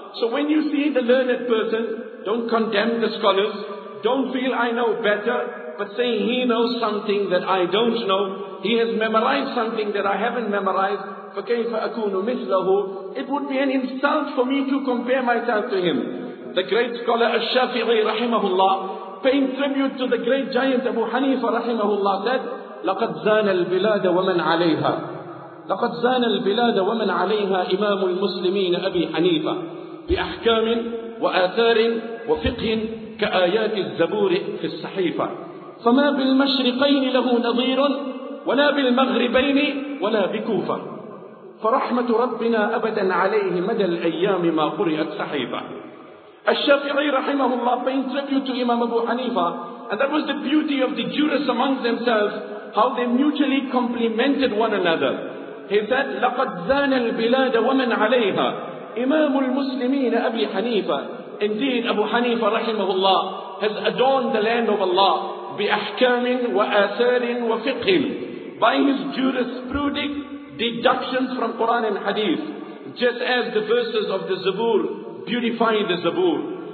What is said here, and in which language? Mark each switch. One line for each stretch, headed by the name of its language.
English: So when you see the learned person, don't condemn the scholars, don't feel I know better, but say he knows something that I don't know, he has memorized something that I haven't memorized,
Arabic: فَكَيْفَ أَكُونُ مِثْلَهُ.
English: It would be an insult for me to compare myself to him. The great scholar Al-Shafi'i rahimahullah, paying tribute to the great giant Abu Hanifa rahimahullah, said,
Arabic: لَقَدْ زَانَ الْبِلَادَ وَمَنْ عَلَيْهَا لَقَدْ زَانَ الْبِلَادَ وَمَنْ عَلَيْهَا إِمَامُ الْمُسْلِمِينَ أَبِي حَنِيفَةَ بِأَحْكَامٍ وَآثَارٍ وَفِقْهٍ كَآيَاتِ الزَّبُورِ فِي الصَّحِيفَةِ فَمَا بِالْمَشْرِقَيْنِ لَهُ نَظِيرٌ وَلَا بِالْمَغْرِبَيْنِ وَلَا بِكُوفَةٍ فَرَحْمَةُ رَبِّنَا أَبَدًا عَلَيْهِ مَدَى الْأَيَّامِ مَا قُرِئَتْ صَحِيفَةً. الشافعي رحمه الله
English: paying tribute to Imam Abu Hanifa, and that was the beauty of the jurists amongst themselves, how they mutually complemented one another. He said,
Arabic: لَقَدْ زَانَ الْبِلَادَ وَمَنْ عَلَيْهَا إِمَامُ الْمُسْلِمِينَ أَبِي حَنِيفَةً.
English: Indeed, Abu Hanifa رحمه الله has adorned the land of Allah
Arabic: بِأَحْكَامٍ وَآثَارٍ وَفِقْهٍ
English: by his jurisprudence, deductions from Quran and Hadith, just as the verses of the Zabur beautify the Zabur.